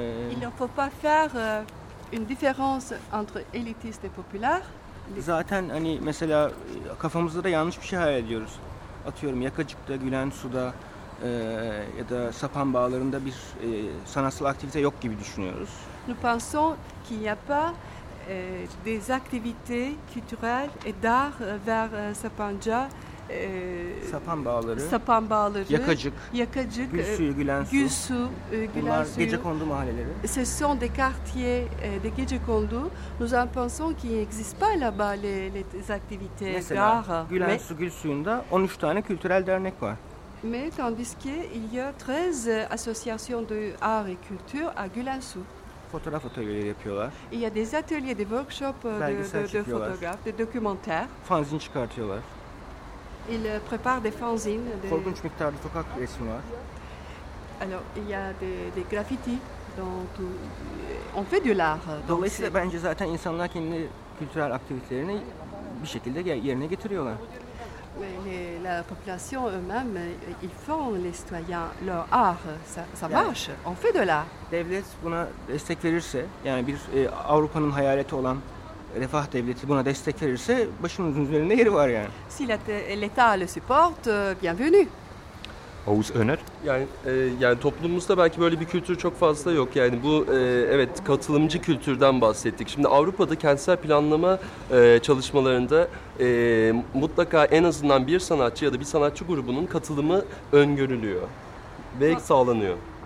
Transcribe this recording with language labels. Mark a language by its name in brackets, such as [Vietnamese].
[French] Il ne faut pas faire une différence entre élitiste et populaire. [Turkish] Zaten hani mesela kafamızda da yanlış bir şey hayal ediyoruz. Atıyorum Yakacık'ta, Gülen Su'da ya da Sapan Bağları'nda bir sanatsal aktivite yok gibi düşünüyoruz. [French] Nous pensons qu'il n'y a pas des activités culturelles et d'art vers Sapanca. [Turkish] Sapan Bağları, Sapan Bağları, Yakacık, Gülsuyu, Gülensu, Gülsu, bunlar gecekondu mahalleleri. [French] Ce sont des quartiers de gecekondu. Nous en pensons qu'il n'existe pas là-bas les activités d'art. [Turkish] Mesela Gülensu, Gülsuyu'nda 13 tane kültürel dernek var. [French] Mais tandis qu'il y a 13 associations de art et culture à Gülensu. [Turkish] Fotoğraf atölyeleri yapıyorlar. [French] Il y a des ateliers, des workshops de photographes, de documentaires. [Turkish] Fanzin çıkartıyorlar. [French] Il prépare des fanzines. [Turkish] Korkunç miktarda sokak resmi var. [French] Alors, il y a des graffitis dans tout. On fait de l'art. [Turkish] Dolayısıyla bence zaten insanlar kendi kültürel aktivitelerini bir şekilde yerine getiriyorlar. [French] La population eux-mêmes, ils font les citoyens leur art. Ça marche. Yani, on fait de l'art. [Turkish] Devlet buna destek verirse, yani bir Avrupa'nın hayaleti olan refah devleti buna destek verirse başımızın üzerinde yeri var yani. [French] Si l'État le supporte, bienvenue. Oğuz Öner. [Turkish] Yani toplumumuzda belki böyle bir kültür çok fazla yok. Yani bu evet katılımcı kültürden bahsettik. Şimdi Avrupa'da kentsel planlama çalışmalarında mutlaka en azından bir sanatçı ya da bir sanatçı grubunun katılımı öngörülüyor ve sağlanıyor.